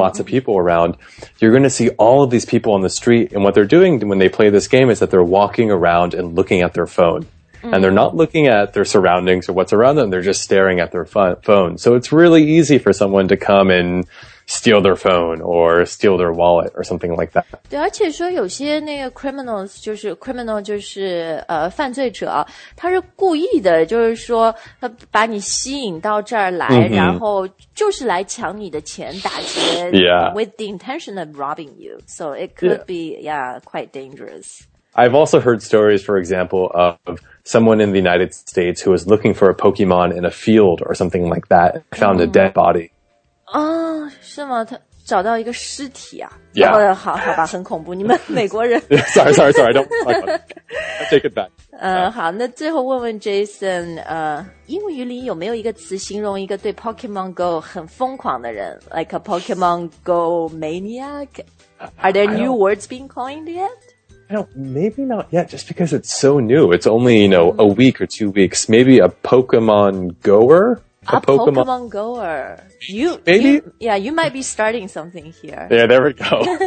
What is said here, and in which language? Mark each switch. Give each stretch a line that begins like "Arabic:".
English: lots of people around, you're going to see all of these people on the street. And what they're doing when they play this game is that they're walking around and looking at their phone.、Mm-hmm. And they're not looking at their surroundings or what's around them. They're just staring at their phone. So it's really easy for someone to come andsteal their phone or steal their wallet or something like that.
Chinese: 对而且说有些那个 criminals, 就是 criminal 就是、犯罪者他是故意的就是说他把你吸引到这儿来、mm-hmm. 然后就是来抢你的钱打劫、
English: yeah. with the intention of robbing you. So it could、yeah. be, yeah, quite dangerous. I've also heard stories, for example, ofsomeone in the United States who was looking for a Pokemon in a field or something like that found、mm-hmm. a dead body.
Chinese: 啊、哦，是吗？他找到一个尸体啊！
English: Yeah.
Chinese: 哦、好吧，很恐怖。你们美国人
English: ，sorry，I don't take it back。
Chinese: 好，那最后问问 Jason， 英语里有没有一个词形容一个对 Pokemon Go 很疯狂的人 ，
English: like a Pokemon Go maniac？ Are there new words being coined yet？ No, maybe not yet, just because it's so new. It's only, you know, a week or 2 weeks. Maybe a Pokemon goer? A Pokemon goer. You might be starting something here. Yeah, there we go.